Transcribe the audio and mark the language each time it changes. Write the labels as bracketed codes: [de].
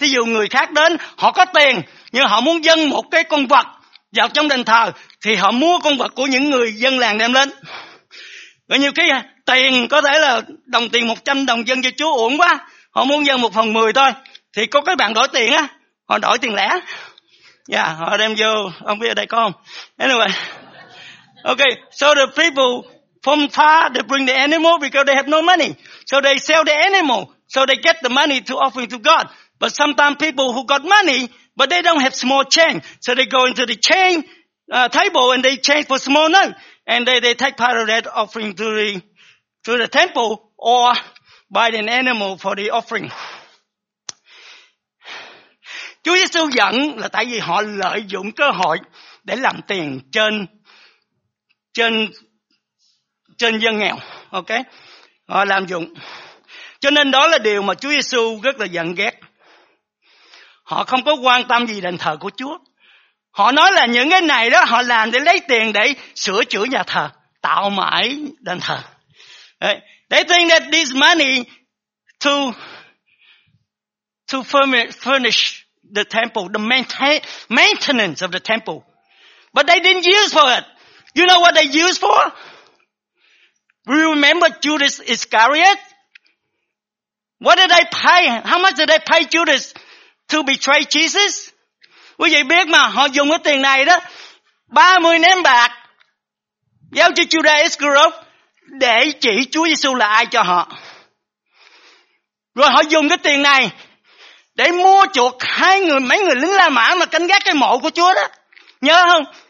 [vi] Thí dụ người khác đến, họ có tiền, nhưng họ muốn dâng một cái con vật vào trong đền thờ, thì họ mua con vật của những người dân làng đem lên. Và nhiều khi tiền có thể là đồng tiền 100 đồng dân cho Chúa uổng quá, họ muốn dâng 1/10 thôi. Thì có cái bạn đổi tiền á, họ đổi tiền lẻ. Dạ, họ đem vô, không biết ở đây có không. [en] Anyway, okay, so the people from far, they bring the animal because they have no money. So they sell the animal, so they get the money to offer to God. But sometimes people who got money, but they don't have small change. So they go into the chain table and they change for small note. And they take part of that offering to the temple or buy an animal for the offering. [vi] Chúa Giê-xu giận là tại vì họ lợi dụng cơ hội để làm tiền trên dân nghèo. Ok? Họ làm dụng. Cho nên đó là điều mà Chúa Giê-xu rất là giận ghét. Họ không có quan tâm gì đền thờ của Chúa. Họ nói là những cái này đó họ làm để lấy tiền để sửa chữa nhà thờ, tạo mãi đền thờ. [en] They think that this money to furnish the temple, the maintenance of the temple. But they didn't use for it. You know what they used for? Do you remember Judas Iscariot? What did they pay? How much did they pay Judas to betray Jesus? [vi] Quý vị biết mà, họ dùng cái tiền này đó, 30 nén bạc, giao cho Judas Iscariot để chỉ Chúa Giê-xu là ai cho họ. Rồi họ dùng cái tiền này để mua chuộc mấy người lính La Mã mà canh gác cái mộ của Chúa đó. Nhớ không?